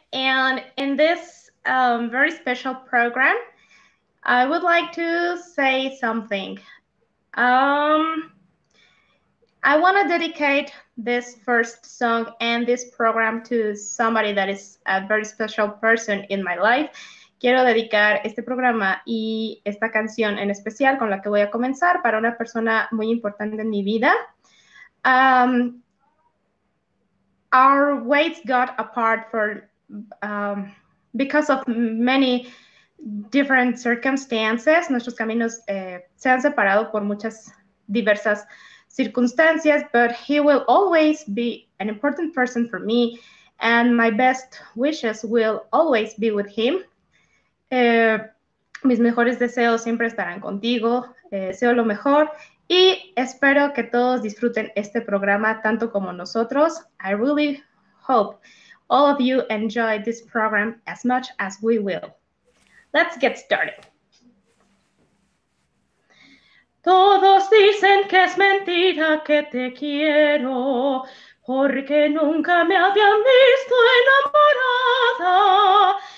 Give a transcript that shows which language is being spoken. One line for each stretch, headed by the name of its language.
English: And in this very special program, I would like to say something. I want to dedicate this first song and this program to somebody that is a very special person in my life.
Spanish: Quiero dedicar este programa y esta canción en especial con la que voy a comenzar para una persona muy importante en mi vida.
English: Our ways got apart for because of many different circumstances.
Spanish: Nuestros caminos se han separado por muchas diversas circunstancias,
English: but he will always be an important person for me, and my best wishes will always be with him.
Spanish: Mis mejores deseos siempre estarán contigo. Deseo lo mejor. Y espero que todos disfruten este programa tanto como nosotros.
English: I really hope all of you enjoy this program as much as we will. Let's get started.
Spanish: Todos dicen que es mentira que te quiero, porque nunca me habían visto enamorada.